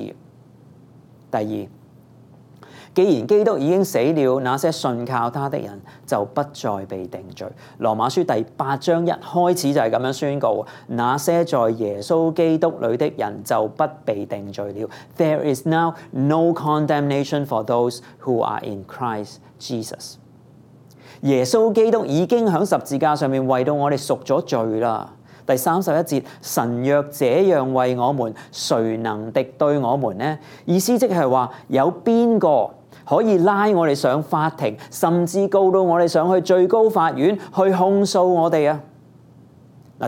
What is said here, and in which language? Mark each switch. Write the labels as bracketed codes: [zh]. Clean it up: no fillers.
[zh] 第二，既然基督已经死了，那些信靠他的人就不再被定罪。罗马书第八章一开始就是这样宣告，那些在耶稣基督里的人就不被定罪了。 [en] There is now no condemnation for those who are in Christ Jesus。 [zh] 耶稣基督已经在十字架上面为到我们赎了罪了。第三十一节，神若这样为我们，谁能敌对我们呢？意思即是说，有哪个可以拉我们上法庭，甚至告到我们上去最高法院去控诉我们啊？